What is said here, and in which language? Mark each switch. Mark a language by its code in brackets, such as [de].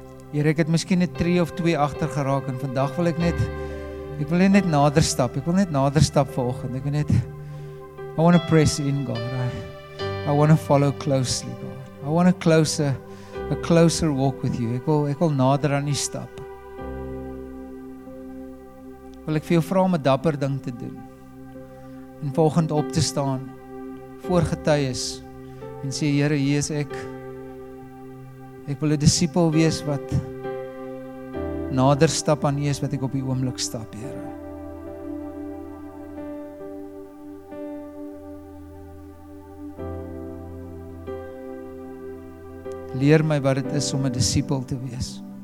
[af] Here, ek het miskien net 3 of 2 agter geraak en vandag wil ek net ek wil net nader stap vanoggend. Ek wil net [en] I want to press in, God. I want to follow closely, God. I want a closer walk with you. [af] Ek wil nader aan U stap. Wil ek vir jou vra om 'n dapper ding te doen. En volgend op te staan voor getuies en sê Here, hier is ek. Ek wil 'n disipel wees wat nader stap aan U as wat ek op die oomblik stap, Here. Leer my wat dit is om 'n disipel te wees.